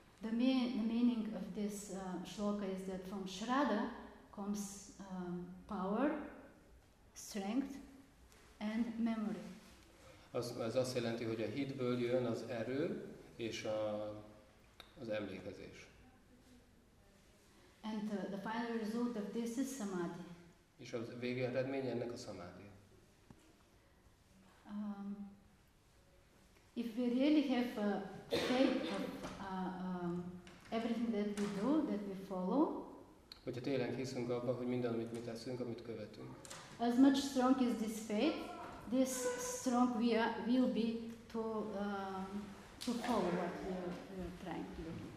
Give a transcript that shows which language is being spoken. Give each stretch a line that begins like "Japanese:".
English: The meaning of this shloka is that from Shraddha comes power, strength and memory.
Hungarian: Ez azt jelenti, hogy a hitből jön az erő és az emlékezés.
English: And the final result of this is samadhi.
Hungarian: És a végeredmény ennek a samadhi.
English: If we really have a faith of everything that we do, that we follow.
Hungarian: Hogyha tényleg hiszünk abban, hogy minden, amit mi teszünk, amit követünk.
English: As much strong as this faith, this strong we are, will be to follow what we are trying to do.